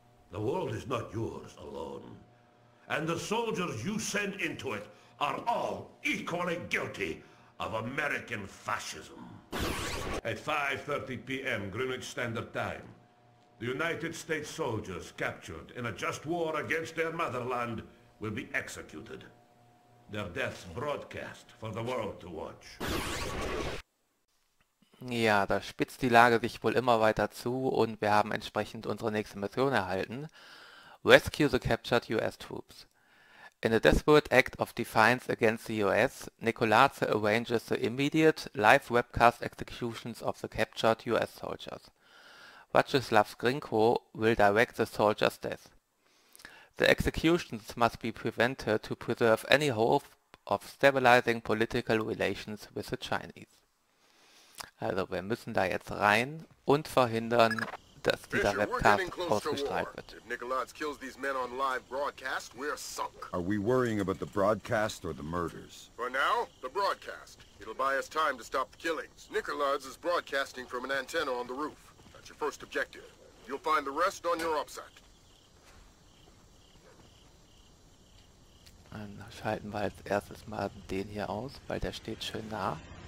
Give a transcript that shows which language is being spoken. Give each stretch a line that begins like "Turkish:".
English: The world is not yours alone. And the soldiers you send into it are all equally guilty of American fascism. At 5:30 p.m. Greenwich Standard Time, the United States soldiers captured in a just war against their motherland will be executed. Their deaths broadcast for the world to watch.
German: Ja, da spitzt die Lage sich wohl immer weiter zu und wir haben entsprechend unsere nächste Mission erhalten.
English: Rescue the captured U.S. troops. In a desperate act of defiance against the U.S., Nicolaz arranges the immediate live webcast executions of the captured U.S. soldiers. Vyacheslav Skrinko will direct the soldiers' death. The executions must be prevented to preserve any hope of stabilizing political relations with the Chinese.
German: Also wir müssen da jetzt rein und verhindern, dass dieser Webcast ausgestrahlt wird.
English: If Nicolaz kills these men on live broadcast, we're sunk. Are we worrying about the broadcast or the murders? For now, the broadcast. It'll buy us time to stop the killings. Nicolaz is broadcasting from an antenna on the roof. That's your first objective. You'll find the rest on your upside.
German: Dann schalten wir als erstes mal den hier aus, weil der steht schön nah.